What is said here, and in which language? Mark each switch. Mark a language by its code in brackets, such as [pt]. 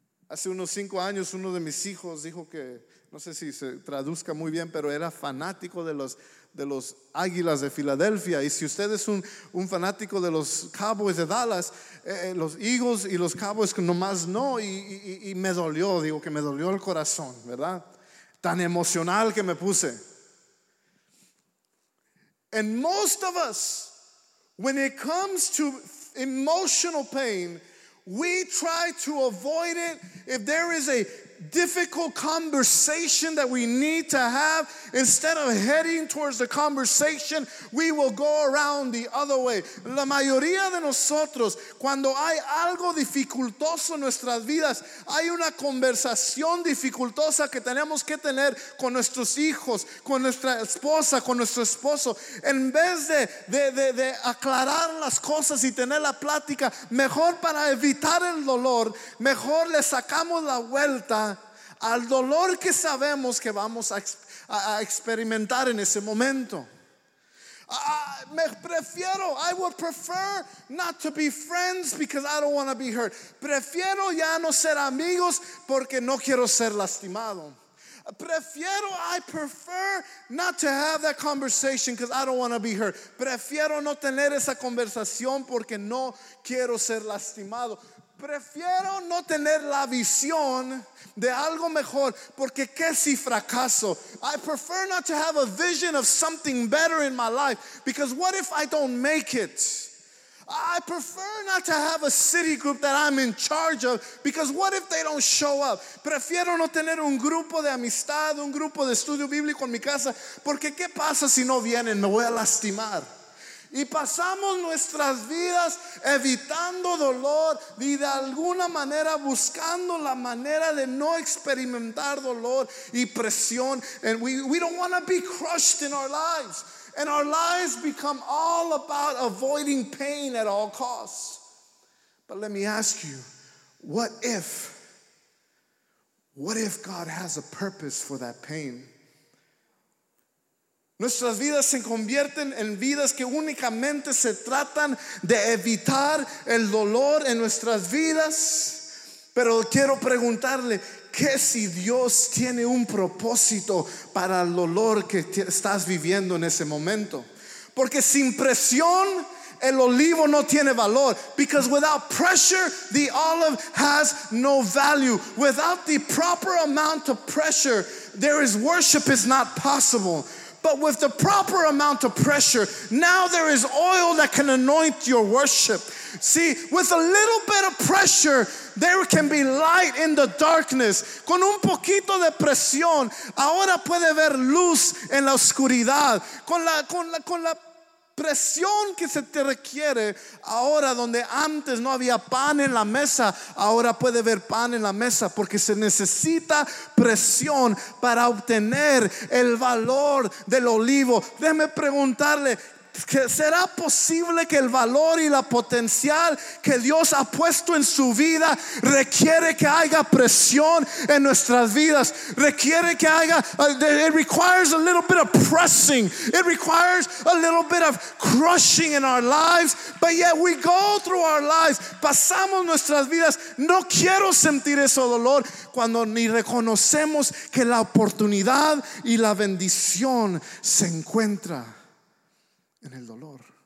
[es] Hace unos 5 años, uno de mis hijos dijo que, no sé si se traduzca muy bien, pero era fanático de los Águilas de Filadelfia. Y si usted es un fanático de los Cowboys de Dallas, los Eagles y los Cowboys nomás no. Y me dolió, digo que me dolió el corazón, ¿verdad? Tan emocional que me puse. [en] And most of us, when it comes to emotional pain, we try to avoid it. If there is a difficult conversation that we need to have, instead of heading towards the conversation, we will go around the other way. [es] La mayoría de nosotros, cuando hay algo dificultoso en nuestras vidas, hay una conversación dificultosa que tenemos que tener con nuestros hijos, con nuestra esposa, con nuestro esposo. En vez de aclarar las cosas y tener la plática, mejor para evitar el dolor, mejor le sacamos la vuelta al dolor que sabemos que vamos a experimentar en ese momento. [en] I would prefer not to be friends because I don't want to be hurt. [es] Prefiero ya no ser amigos porque no quiero ser lastimado. [en] I prefer not to have that conversation because I don't want to be hurt. [es] Prefiero no tener esa conversación porque no quiero ser lastimado. Prefiero no tener la visión de algo mejor porque qué si fracaso. [en] I prefer not to have a vision of something better in my life because what if I don't make it. I prefer not to have a city group that I'm in charge of because what if they don't show up. [es] Prefiero no tener un grupo de amistad, un grupo de estudio bíblico en mi casa, porque qué pasa si no vienen, me voy a lastimar. Y pasamos nuestras vidas evitando dolor y de alguna manera buscando la manera de no experimentar dolor y presión. [en] And we don't want to be crushed in our lives. And our lives become all about avoiding pain at all costs. But let me ask you, what if God has a purpose for that pain? [es] Nuestras vidas se convierten en vidas que únicamente se tratan de evitar el dolor en nuestras vidas. Pero quiero preguntarle, ¿qué si Dios tiene un propósito para el dolor que estás viviendo en ese momento? Porque sin presión, el olivo no tiene valor. [en] Because without pressure, the olive has no value. Without the proper amount of pressure, there is worship is not possible. But with the proper amount of pressure, now there is oil that can anoint your worship. See, with a little bit of pressure, there can be light in the darkness. [es] Con un poquito de presión, ahora puede haber luz en la oscuridad. Con la presión que se te requiere, ahora donde antes no había pan en la mesa, ahora puede haber pan en la mesa, porque se necesita presión para obtener el valor del olivo. Déjeme preguntarle, ¿será posible que el valor y la potencial que Dios ha puesto en su vida requiere que haya presión en nuestras vidas? Requiere que haya, [en] it requires a little bit of pressing. It requires a little bit of crushing in our lives. But yet we go through our lives, [es] pasamos nuestras vidas, no quiero sentir ese dolor, cuando ni reconocemos que la oportunidad y la bendición se encuentra en el dolor.